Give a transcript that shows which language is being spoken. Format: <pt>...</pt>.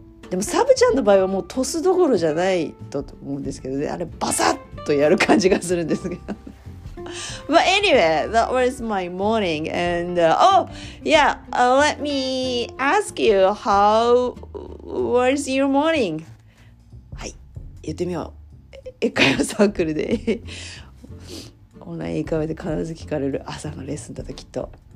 <ja>でもサブちゃんの場合はもうトスどころじゃないと思うんですけどね。あれバサッとやる感じがするんですけど。</ja> <en>But anyway, that was my morning. And, let me ask you, how was your morning?</en> <ja>はい、言ってみよう。英会話サークルで。オンライン英会話で必ず聞かれる朝のレッスンだときっと。</ja>